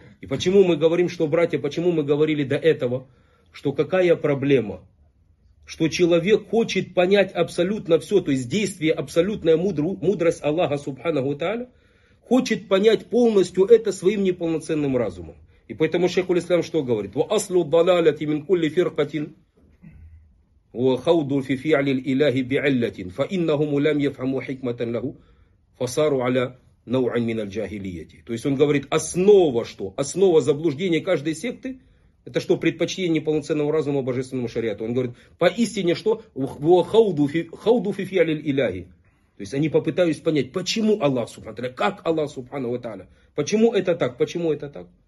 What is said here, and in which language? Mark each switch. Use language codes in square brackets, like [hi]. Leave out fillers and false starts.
[ru] И почему мы говорим, что, братья, почему мы говорили до этого, что какая проблема, что человек хочет понять абсолютно все, то есть действие, абсолютная мудрость Аллаха субханаху тааля, хочет понять полностью это своим неполноценным разумом. И поэтому шейх аль-Ислам что говорит? [ar] «Ва аслу далалати мин кулли фиркатин». وخوضوا في فعل الإله بعلة فإنهم لم يفهموا حكمة له فصاروا على نوع من الجاهلية. [ru] То есть он говорит, основа что? Основа заблуждения каждой секты, это что? Предпочтение неполноценного разума божественному шариату. Он говорит, поистине что? [ar] وخوضوا في فعل الإله. [ru] То есть они попытаются понять, почему Аллах Субхану Тааля, как Аллах Субхану Тааля, почему это так, почему это так?